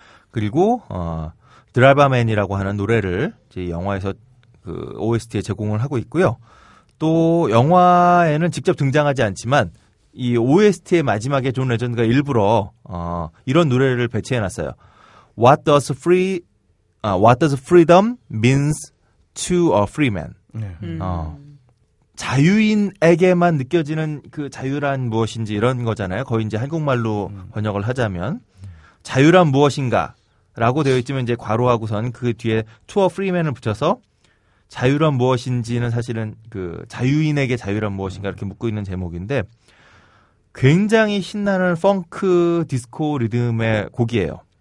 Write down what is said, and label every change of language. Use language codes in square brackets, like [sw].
[ko] 그리고 드라이버맨이라고 하는 노래를 이제 영화에서 그 OST에 제공을 하고 있고요. 또 영화에는 직접 등장하지 않지만 이 OST의 마지막에 존 레전드가 일부러 이런 노래를 배치해놨어요. [en] What does freedom means to a free man? [ko] 네. 자유인에게만 느껴지는 그 자유란 무엇인지 이런 거잖아요. 거의 이제 한국말로 번역을 하자면 자유란 무엇인가? 라고 되어 있지만 이제 괄호하고선 그 뒤에 투어 프리맨을 붙여서 자유란 무엇인지는 사실은 그 자유인에게 자유란 무엇인가 이렇게 묻고 있는 제목인데 굉장히 신나는 펑크 디스코 리듬의 곡이에요.